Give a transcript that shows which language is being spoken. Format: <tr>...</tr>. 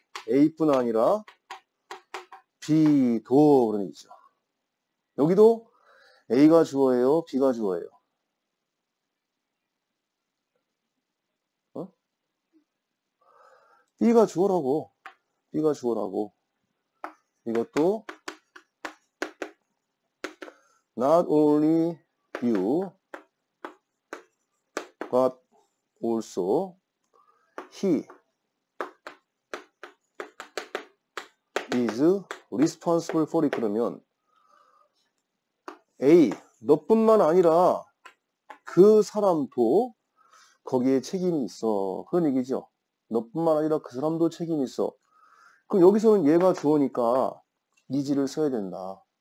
<ko>A뿐 아니라 B도 그런 얘기죠. 여기도 A가 주어예요? B가 주어예요? 이가 주어라고, 이가 주어라고. 이것도</ko> <en>not only you but also he is responsible for it.</en> <ko>그러면 A 너뿐만 아니라 그 사람도 거기에 책임이 있어. 그런 얘기죠. 너뿐만 아니라 그 사람도 책임이 있어. 그럼 여기서는 얘가 주어니까 이지를 써야 된다.</ko>